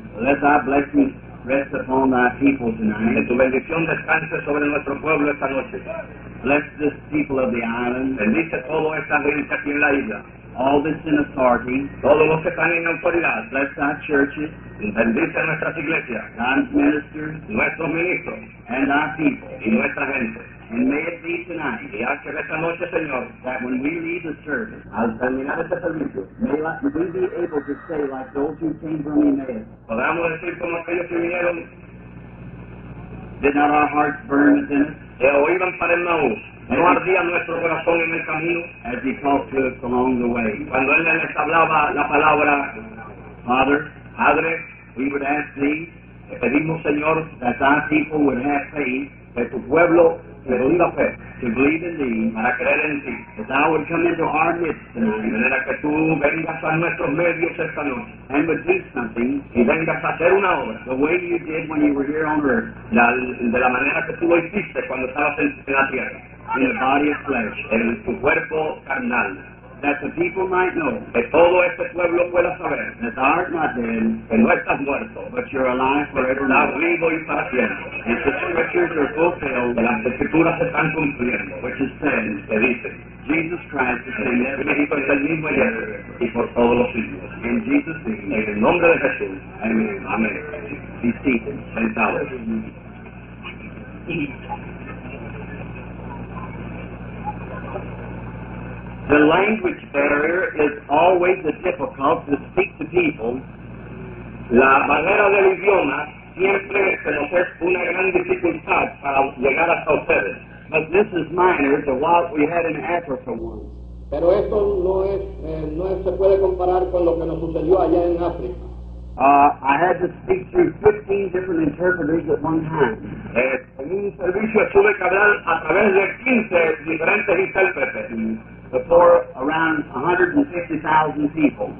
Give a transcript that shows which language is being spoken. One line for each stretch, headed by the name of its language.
English: let thy blessings rest upon thy people tonight.
Spanish: Que tu bendición descanse sobre nuestro pueblo esta noche.
English: Bless this people of the island.
Spanish: Bendice todo esta gente aquí en la isla.
English: All this in authority.
Spanish: Todos los que están en autoridad.
English: Bless thy churches.
Spanish: Bendice nuestras iglesias.
English: God's ministers.
Spanish: Nuestros ministros.
English: And thy people.
Spanish: Y nuestra gente.
English: And may it be tonight.
Spanish: Y haz que esta noche, Señor,
English: that when we leave the service,
Spanish: al terminar este servicio,
English: may we be able to say like those who came from Emmaus.
Spanish: Podamos decir como aquellos que vinieron.
English: Did not our hearts burn within us?
Spanish: Que oíban para el Maús. No ardía nuestro corazón en el camino.
English: As he talked to us along the way.
Spanish: Cuando él les hablaba la palabra.
English: Father.
Spanish: Padre.
English: We would ask thee.
Spanish: Le pedimos, Señor.
English: That thy people would have faith.
Spanish: Que tu pueblo te tenga fe.
English: To believe in thee.
Spanish: Para creer en ti.
English: That thou would come into our midst tonight.
Spanish: De manera que tú vengas a nuestros medios esta noche.
English: And would do something.
Spanish: Y vengas a hacer una obra.
English: The way you did when you were here on earth.
Spanish: De la manera que tú lo hiciste cuando estabas en la tierra.
English: In the body of flesh.
Spanish: En tu cuerpo carnal.
English: That the people might know.
Spanish: Que todo este pueblo pueda saber.
English: That thou art not dead.
Spanish: Que no estás muerto.
English: But you're alive forever.
Spanish: Estás vivo y para siempre.
English: And the scriptures are fulfilled.
Spanish: Que las escrituras están cumpliendo.
English: Which is said.
Spanish: Que dice.
English: Jesus Christ is the same.
Spanish: Y por todos los siglos.
English: In Jesus' name.
Spanish: En el nombre de Jesús.
English: Amen.
Spanish: Amen.
English: Be seated.
Spanish: Sentado.
English: The language barrier is always difficult to speak to people
Spanish: La barrera del idioma siempre se nos es una gran dificultad para llegar hasta ustedes.
English: But this is minor to what we had in Africa once.
Spanish: Pero esto no es, no es, se puede comparar con lo que nos sucedió allá en África.
English: I had to speak through 15 different interpreters at one time.
Spanish: En un servicio tuve que hablar a través de 15 diferentes intérpretes.
English: Before around 150,000 people.